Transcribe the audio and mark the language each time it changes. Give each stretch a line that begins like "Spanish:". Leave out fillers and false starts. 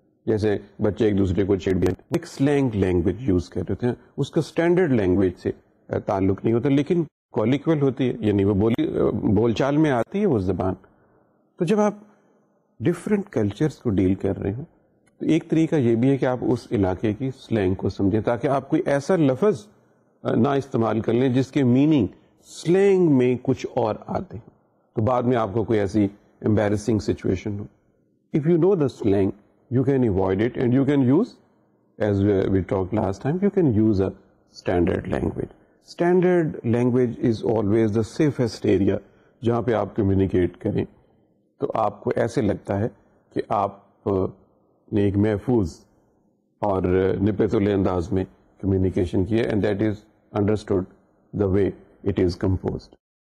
Urdu: جیسے بچے ایک دوسرے کو چیڑ دیا, ایک سلینگ لینگویج یوز کر رہے تھے, اس کا اسٹینڈرڈ لینگویج سے تعلق نہیں ہوتا لیکن کولیکول ہوتی ہے, یعنی وہ بولی بول چال میں آتی ہے وہ زبان. تو جب آپ ڈفرینٹ کلچرس کو ڈیل کر رہے ہوں تو ایک طریقہ یہ بھی ہے کہ آپ اس علاقے کی سلینگ کو سمجھیں تاکہ آپ کوئی ایسا لفظ نہ استعمال کر لیں جس کے میننگ سلینگ میں کچھ اور آتے ہیں, تو بعد میں آپ کو کوئی ایسی embarrassing situation ہو.
English: If you know the slang, you can avoid it and you can use, as we talked last time, you can use a standard language. Standard language is always the safest area
Urdu: جہاں پہ آپ communicate کریں تو آپ کو ایسے لگتا ہے کہ آپ نے ایک محفوظ اور نپتولے انداز میں کمیونیکیشن کیا,
English: And that is understood the way it is composed.